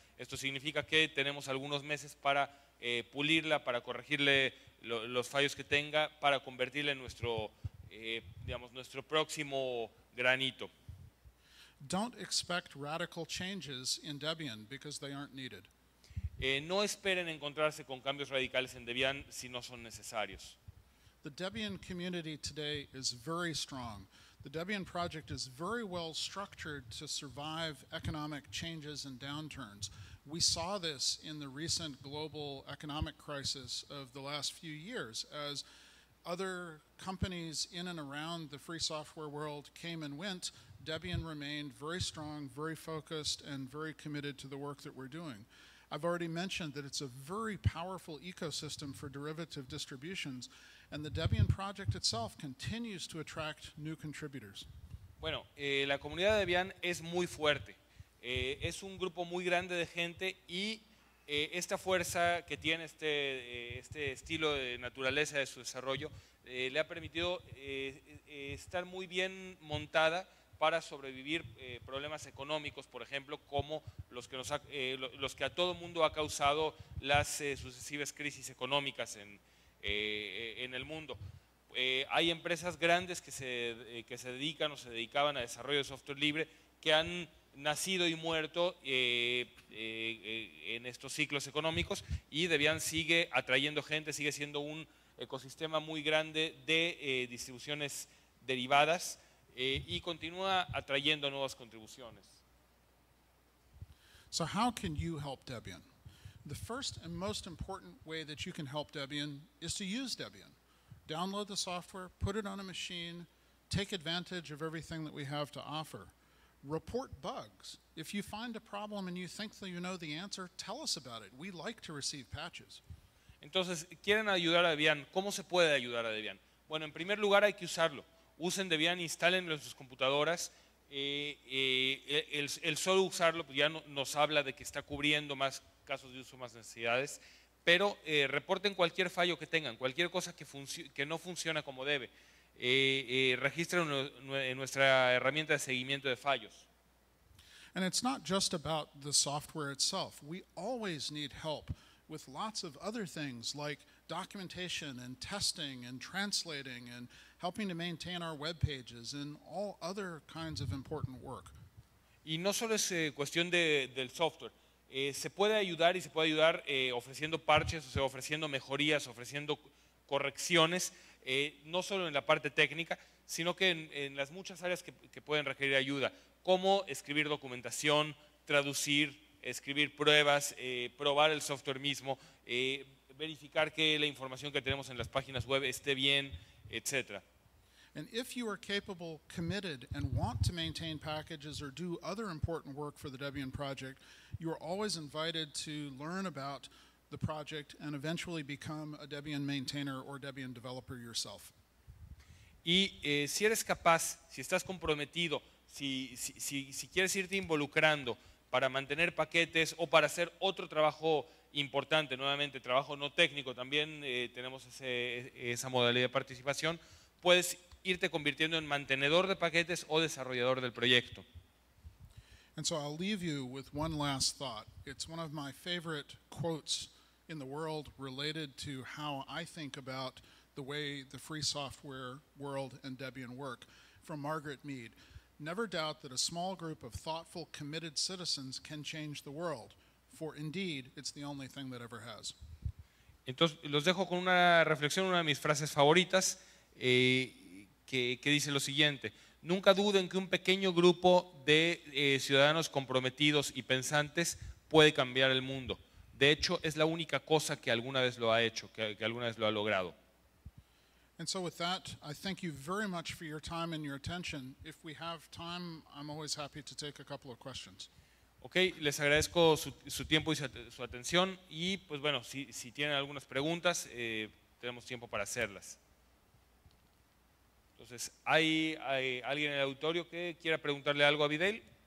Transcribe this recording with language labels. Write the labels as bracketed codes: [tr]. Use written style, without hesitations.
[es] Esto significa que tenemos algunos meses para pulirla, para corregirle los fallos que tenga, para convertirla en nuestro, digamos, nuestro próximo granito. [en] Don't expect radical changes in Debian because they aren't needed. [es] No esperen encontrarse con cambios radicales en Debian si no son necesarios. [en] The Debian community today is very strong. The Debian project is very well structured to survive economic changes and downturns. We saw this in the recent global economic crisis of the last few years as other companies in and around the free software world came and went. Debian remained very strong, very focused, and very committed to the work that we're doing. I've already mentioned that it's a very powerful ecosystem for derivative distributions, and the Debian project itself continues to attract new contributors. [es] Bueno, la comunidad de Debian es muy fuerte. Es un grupo muy grande de gente, y esta fuerza que tiene este estilo de naturaleza de su desarrollo le ha permitido estar muy bien montada para sobrevivir problemas económicos, por ejemplo, como los que a todo mundo ha causado las sucesivas crisis económicas en el mundo. Hay empresas grandes que se dedican o se dedicaban a desarrollo de software libre que han nacido y muerto en estos ciclos económicos y Debian sigue atrayendo gente, sigue siendo un ecosistema muy grande de distribuciones derivadas. Y continúa atrayendo nuevas contribuciones. [en] So how can you help Debian? The first and most important way that you can help Debian is to use Debian. Download the software, put it on a machine, take advantage of everything that we have to offer. Report bugs. If you find a problem and you think that you know the answer, tell us about it. We like to receive patches. [es] Entonces, ¿quieren ayudar a Debian? ¿Cómo se puede ayudar a Debian? Bueno, en primer lugar hay que usarlo. Usen Debian, instálenlo en sus computadoras, El solo usarlo ya nos habla de que está cubriendo más casos de uso, más necesidades, pero reporten cualquier fallo que tengan, cualquier cosa que no funciona como debe. Registren en nuestra herramienta de seguimiento de fallos. [en] And it's not just about the software itself. We always need help with lots of other things like documentation and testing and translating and helping to maintain our web pages and all other kinds of important work. [es] Y no solo es cuestión del software. Se puede ayudar y se puede ayudar ofreciendo parches, o sea, ofreciendo mejorías, ofreciendo correcciones, no solo en la parte técnica, sino que en las muchas áreas que pueden requerir ayuda. Cómo escribir documentación, traducir, escribir pruebas, probar el software mismo, verificar que la información que tenemos en las páginas web esté bien, etc. [en] And if you are capable, committed, and want to maintain packages or do other important work for the Debian project, you are always invited to learn about the project and eventually become a Debian maintainer or Debian developer yourself. [es] Y si eres capaz, si estás comprometido, si quieres irte involucrando para mantener paquetes o para hacer otro trabajo importante, nuevamente, trabajo no técnico, también tenemos esa modalidad de participación, puedes irte convirtiendo en mantenedor de paquetes o desarrollador del proyecto. [en] And so I'll leave you with one last thought. It's one of my favorite quotes in the world related to how I think about the way the free software world and Debian work, from Margaret Mead. Never doubt that a small group of thoughtful, committed citizens can change the world, for indeed, it's the only thing that ever has. [es] Entonces, los dejo con una reflexión, una de mis frases favoritas, que dice lo siguiente. Nunca duden que un pequeño grupo de ciudadanos comprometidos y pensantes puede cambiar el mundo. De hecho, es la única cosa que alguna vez lo ha hecho, que alguna vez lo ha logrado. [en] And so with that, I thank you very much for your time and your attention. If we have time, I'm always happy to take a couple of questions. [es] Okay, les agradezco su tiempo y su atención. Y pues bueno, si tienen algunas preguntas, tenemos tiempo para hacerlas. Entonces, ¿hay alguien en el auditorio que quiera preguntarle algo a Videl?